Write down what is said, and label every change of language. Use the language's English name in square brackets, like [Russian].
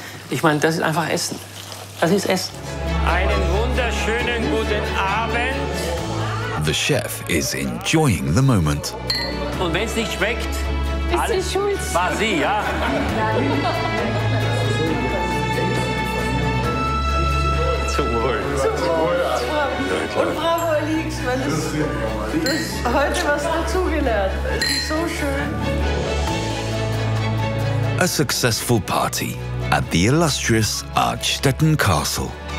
[German] Ich meine, das ist einfach Essen. Das ist Essen. Einen wunderschönen guten Abend. [English] The chef is enjoying the moment. [German] Und wenn es nicht schmeckt, ist sie schuld. War sie, ja? Nein. Und bravo, Alix, weil das heute was dazugelernt. Es ist so schön. [English] A successful party at the illustrious Archstetten Castle.